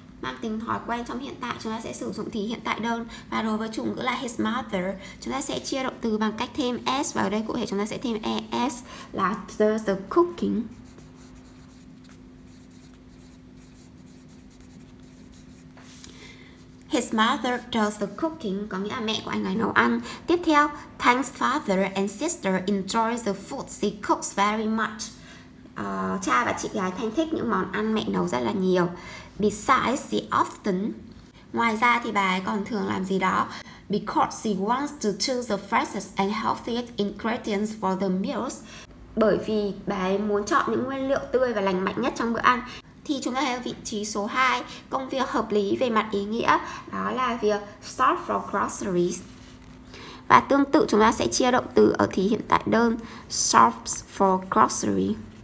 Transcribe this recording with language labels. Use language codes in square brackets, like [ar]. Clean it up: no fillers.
[vi] mang tính thói quen trong hiện tại, chúng ta sẽ sử dụng thì hiện tại đơn. Và đối với chủ ngữ là his mother, chúng ta sẽ chia động từ bằng cách thêm s, và ở đây cụ thể chúng ta sẽ thêm es là [en] does the cooking. His mother does the cooking, [vi] có nghĩa là mẹ của anh ấy nấu ăn. Tiếp theo, [en] thanks father and sister enjoy the food she cooks very much. [vi] Cha và chị gái thanh thích những món ăn mẹ nấu rất là nhiều. [en] Besides, she often, [vi] ngoài ra thì bà ấy còn thường làm gì đó. [en] Because she wants to choose the freshest and healthiest ingredients for the meals. [vi] Bởi vì bà ấy muốn chọn những nguyên liệu tươi và lành mạnh nhất trong bữa ăn. Thì chúng ta thấy ở vị trí số 2, công việc hợp lý về mặt ý nghĩa, đó là việc [en] sort for groceries. [vi] Và tương tự chúng ta sẽ chia động từ ở thì hiện tại đơn, [en] sorts for groceries.